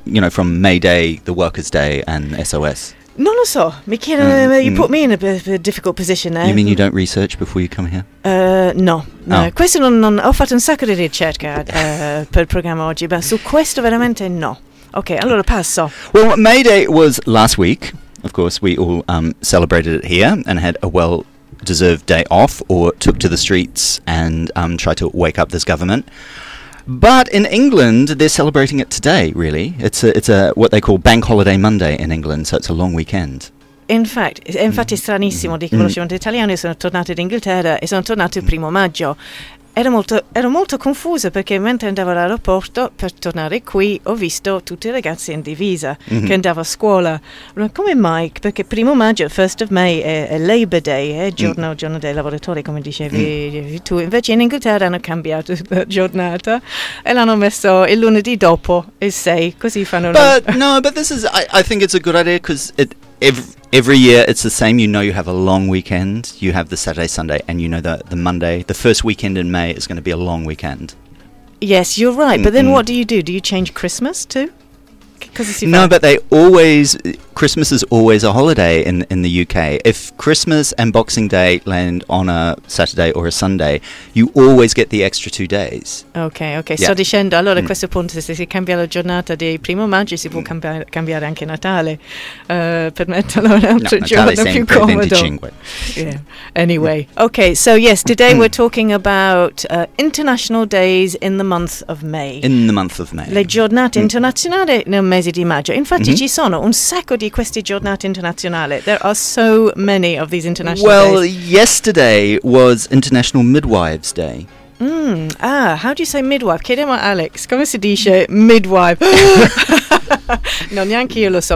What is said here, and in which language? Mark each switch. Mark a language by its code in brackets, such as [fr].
[en] From May Day, the Workers' Day, and SOS. [it] Non lo so, mi chiedo, [en] you put me in a difficult position there. You mean you don't research before you come here? No. [it] Questo non ho fatto un sacco di ricerca per il programma oggi, ma su questo veramente no. Ok, allora passo. [en] Well, May Day was last week. Of course, we all celebrated it here and had a well-deserved day off, or took to the streets and tried to wake up this government. But in England, they're celebrating it today, really. It's a what they call Bank Holiday Monday in England, so it's a long weekend. [it] Infatti è stranissimo, dico conoscimento italiano, sono tornato in Inghilterra e sono tornato il primo maggio. Ero molto confusa perché mentre andavo all'aeroporto per tornare qui ho visto tutti i ragazzi in divisa che andavo a scuola. Ma come mai? Perché primo maggio, [en] first of May, [it] è Labor Day, è giorno dei lavoratori, come dicevi tu. Invece in Inghilterra hanno cambiato la giornata e l'hanno messo il lunedì dopo il 6, così fanno. [en] But this is, I think it's a good idea because every year it's the same. You know, you have a long weekend. You have the Saturday, Sunday, and you know that the Monday, the first weekend in May, is going to be a long weekend. Yes, you're right. But then what do you do? Do you change Christmas too? But they always... Christmas is always a holiday in the UK. If Christmas and Boxing Day land on a Saturday or a Sunday, you always get the extra 2 days. Okay. Yeah. [it] Sto dicendo, allora a questo punto, se si cambia la giornata di primo maggio, si può cambiare anche Natale. Permettono un altro giorno più comodo. [en] Anyway. Okay, so yes, today we're talking about international days in the month of May. In the month of May. [it] Le giornate internazionali nel mese di maggio. Infatti ci sono un sacco di queste giornate internazionali. [en] There are so many of these international days. Yesterday was International Midwives Day. How do you say midwife? [it] Chiediamo a Alex, come si dice midwife? No, neanche io lo so.